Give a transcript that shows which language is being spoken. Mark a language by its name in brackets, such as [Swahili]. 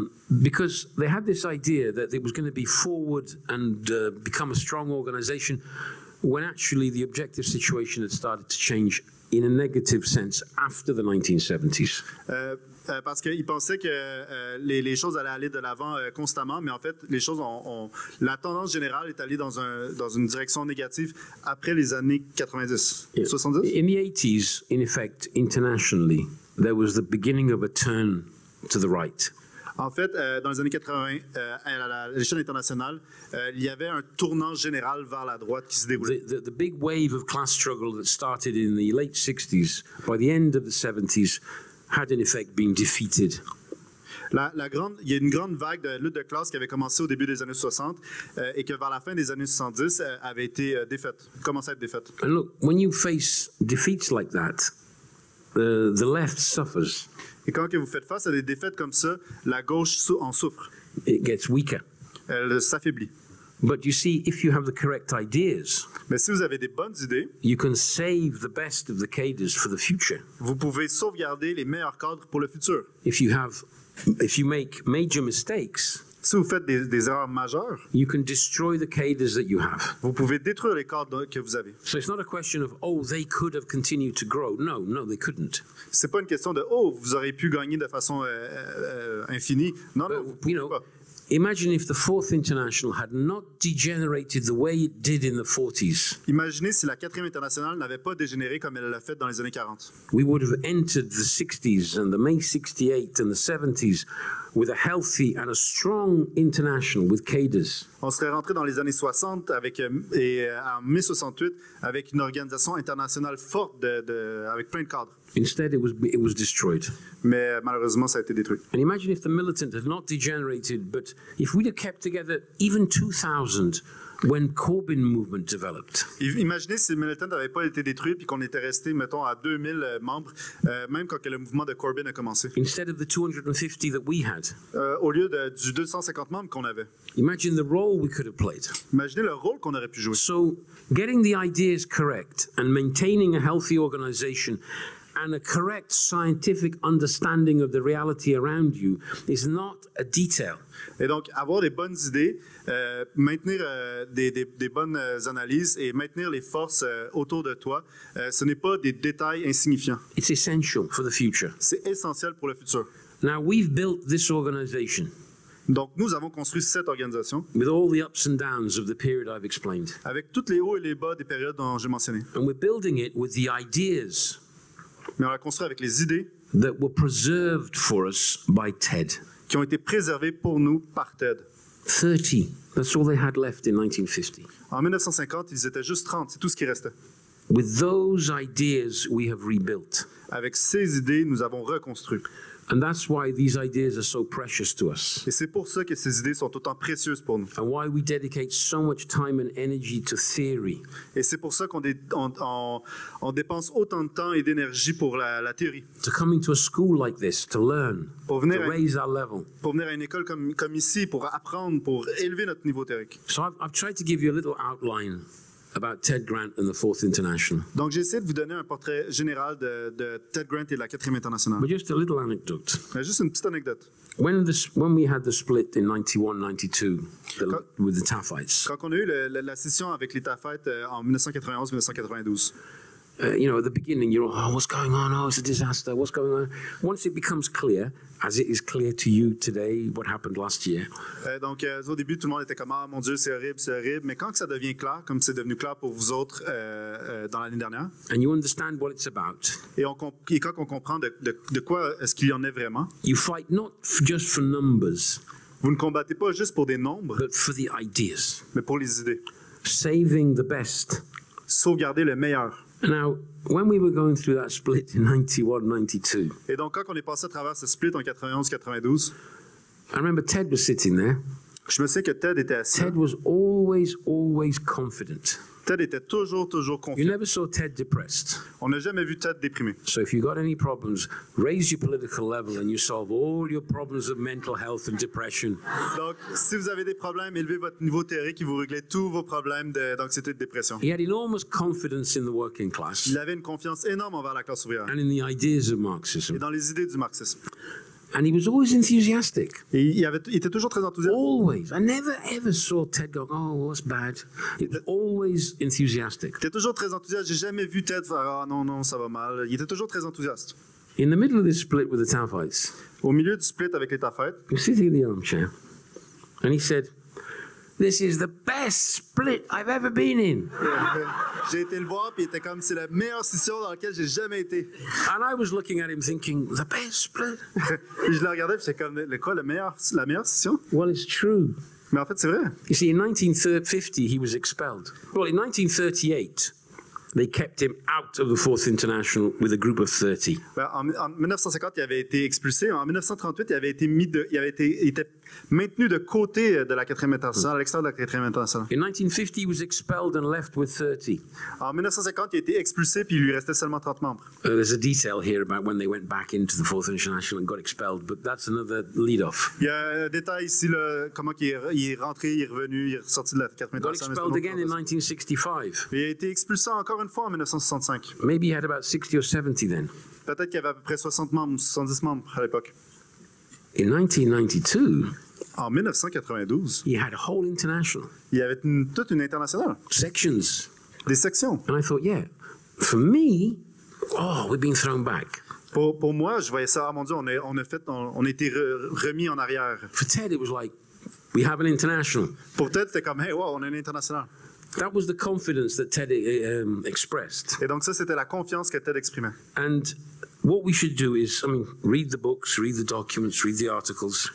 [English] Because they had this idea that it was going to be forward and become a strong organization, when actually the objective situation had started to change in a negative sense after the 1970s. [French] Parce qu'ils pensaient que les choses allaient aller de l'avant constamment, mais en fait, les choses ont la tendance générale est allée dans une direction négative après les années 70. [English] In the 80s, in effect, internationally, there was the beginning of a turn to the right. [French] En fait, dans les années 80, à l'échelle internationale, il y avait un tournant général vers la droite qui se déroulait. [English] The big wave of class struggle that started in the late 60s, by the end of the 70s, had in effect been defeated. [French] Il y a une grande vague de lutte de classe qui avait commencé au début des années 60 et que vers la fin des années 70 avait été défaite, commençait à être défaite. [English] And look, when you face defeats like that, the left suffers. [French] Et quand que vous faites face à des défaites comme ça, la gauche en souffre. [English] It gets weaker. [French] Elle s'affaiblit. [English] But you see, if you have the correct ideas, [French] mais si vous avez des bonnes idées, [English] you can save the best of the cadres for the future. [French] Vous pouvez sauvegarder les meilleurs cadres pour le futur. [English] If you make major mistakes, [French] si vous faites des erreurs majeures, [English] you can destroy the cadres that you have. [French] Vous pouvez détruire les cadres que vous avez. [English] So it's not a question of, oh, they could have continued to grow. No, they couldn't. [French] C'est pas une question de, oh, vous auriez pu gagner de façon infinie. Non, vous pouvez pas. [English] Imagine if the Fourth International had not degenerated the way it did in the 40s. [French] Imaginez si la 4e internationale n'avait pas dégénéré comme elle l'a fait dans les années 40. [English] We would have entered the 60s and the May 68 and the 70s with a healthy and a strong international with cadres. [French] On serait rentré dans les années 60 avec et en mai 68 avec une organisation internationale forte de avec plein de cadres. [English] Instead, it was destroyed. [French] Mais malheureusement, ça a été détruit. [English] And imagine if the militant had not degenerated, but if we'd have kept together even 2,000 when Corbyn movement developed. [French] Imaginez si le militant n'avait pas été détruit puis qu'on était resté, mettons, à 2,000 membres, même quand le mouvement de Corbyn a commencé. [English] Instead of the 250 that we had. [French] Au lieu du 250 membres qu'on avait. [English] Imagine the role we could have played. [French] Imaginez le rôle qu'on aurait pu jouer. [English] So, getting the ideas correct and maintaining a healthy organization and a correct scientific understanding of the reality around you is not a detail. [French] Et donc, avoir des bonnes idées, maintenir des bonnes analyses et maintenir les forces autour de toi, ce n'est pas des détails insignifiants. [English] It's essential for the future. [French] C'est essentiel pour le futur. [English] Now, we've built this organization. [French] Donc, nous avons construit cette organisation [English] with all the ups and downs of the period I've explained. [French] Avec toutes les hauts et les bas des périodes dont j'ai mentionné. [English] And we're building it with the ideas. [French] Mais on l'a construit avec les idées [English] that were preserved for us by Ted. [French] Qui ont été préservées pour nous par Ted. [English] 30, that's all they had left in 1950. [French] En 1950, ils étaient juste 30, c'est tout ce qui restait. [English] With those ideas, we have rebuilt. [French] Avec ces idées, nous avons reconstruit. [English] And that's why these ideas are so precious to us. [French] Et c'est pour ça que ces idées sont autant précieuses pour nous. [English] And why we dedicate so much time and energy to theory. [French] Et c'est pour ça qu'on on dépense autant de temps et d'énergie pour la théorie. [English] To coming to a school like this to learn, [French] pour venir [English] to raise our level. [French] Pour venir à une école comme ici pour apprendre, pour élever notre niveau théorique. [English] So I've tried to give you a little outline about Ted Grant and the Fourth International. [French] Donc j'essaie de vous donner un portrait général de Ted Grant et de la 4e Internationale. [English] But just a little anecdote. [French] Mais juste une petite anecdote. [English] When we had the split in 91-92 with the Taffites. [French] Quand on a eu la scission avec les Taffites en 1991-1992. [English] You know, at the beginning, you're all, oh, what's going on? Oh, it's a disaster. What's going on? Once it becomes clear, as it is clear to you today, what happened last year. [French] Donc, au début, tout le monde était comme, ah, mon Dieu, c'est horrible. Mais quand que ça devient clair, comme c'est devenu clair pour vous autres dans l'année dernière. [English] And you understand what it's about. [French] Et quand on comprend de quoi est-ce qu'il y en est vraiment. [English] You fight not just for numbers. [French] Vous ne combattez pas juste pour des nombres. [English] But for the ideas. [French] Mais pour les idées. [English] Saving the best. [French] Sauvegarder le meilleur. [English] Now, when we were going through that split in 91-92. [French] Et donc quand on est passé à travers ce split en 91-92. [English] I remember Ted was sitting there. [French] Je me souviens que Ted était assis. [English] Ted was always confident. [French] Ted était toujours confiant. [English] You never saw Ted depressed. [French] On n'a jamais vu Ted déprimé. [English] So if you got any problems, raise your political level and you solve all your problems of mental health and depression. [French] Donc si vous avez des problèmes, élevez votre niveau théorique et vous réglez tous vos problèmes d'anxiété et de dépression. [English] He had enormous confidence in the working class. [French] Il avait une confiance énorme envers la classe ouvrière. [English] And in the ideas of Marxism. [French] Et dans les idées du marxisme. [English] And he was always enthusiastic. [French] Il était toujours très enthousiaste. [English] Always. I never ever saw Ted go, oh, that's bad. He was always enthusiastic. [French] Il était toujours très enthousiaste. J'ai jamais vu Ted faire, ah, non, ça va mal. Il était toujours très enthousiaste. [English] In the middle of this split with the Taffites. [French] Au milieu du split avec les Taffites. [English] He was sitting in the armchair. And he said, this is the best split I've ever been in. [French] J'ai été le voir, puis il était comme, c'est la meilleure session dans laquelle j'ai jamais été. [English] And I was looking at him thinking, the best split. [French] Je le regardais, puis c'est comme, le quoi, la meilleure session? [English] Well, it's true. [French] Mais en fait, c'est vrai. [English] You see, in 1950, he was expelled. Well, in 1938, they kept him out of the Fourth International with a group of 30. [French] Ben, en 1950, il avait été expulsé. En 1938, il avait été mis de... Il était maintenu de côté de la 4e Internationale, à l'extérieur de la 4e Internationale. [English] In 1950, he was expelled and left with 30. [French] En 1950, il a été expulsé puis il lui restait seulement 30 membres. [English] There's a detail here about when they went back into the Fourth International and got expelled, but that's another lead-off. [French] Il y a un détail ici, là, comment il est rentré, il est revenu, il est sorti de la 4e Internationale. [English] Got expelled again in 1965. [French] Il a été expulsé encore une fois en 1965. [English] Maybe he had about 60 or 70 then. [French] Peut-être qu'il y avait à peu près 60 membres, 70 membres à l'époque. [English] In 1992, [French] en 1992, [English] he had a whole international. [French] Il avait toute une internationale. [English] Sections. [French] Des sections. [English] And I thought, yeah, for me, oh, we've been thrown back. [French] Pour moi, je voyais ça, mon Dieu, on a été remis en arrière. [English] For Ted, it was like, we have an international. [French] Pour Ted, c'était comme, hey, wow, on a une internationale. [English] That was the confidence that Ted expressed. [French] Et donc ça, c'était la confiance que Ted exprimait. [English] And what we should do is, I mean, read the books, read the documents, read the articles.